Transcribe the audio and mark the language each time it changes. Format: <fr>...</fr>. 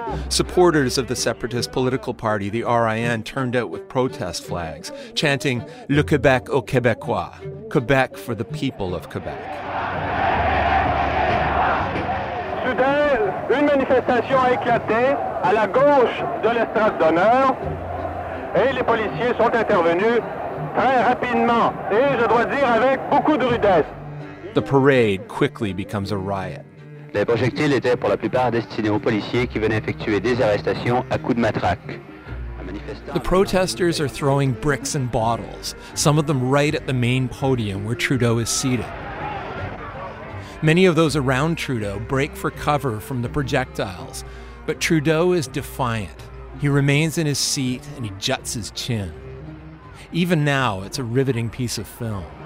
<en>Supporters of the separatist political party, the RIN, turned out with protest flags, chanting</en> <fr>Le Québec aux Québécois,</fr> <en>Quebec for the people of Quebec.</en> <fr>Une manifestation a éclaté à la gauche de l'estrade d'honneur et les policiers sont intervenus très rapidement et je dois dire avec beaucoup de rudesse.</fr> <en>The parade quickly becomes a riot.</en> <fr>Les projectiles étaient pour la plupart destinés aux policiers qui venaient effectuer des arrestations à coups de matraque.</fr> <en>The protesters are throwing bricks and bottles, some of them right at the main podium where Trudeau is seated. Many of those around Trudeau break for cover from the projectiles, but Trudeau is defiant. He remains in his seat and he juts his chin. Even now, it's a riveting piece of film.</en>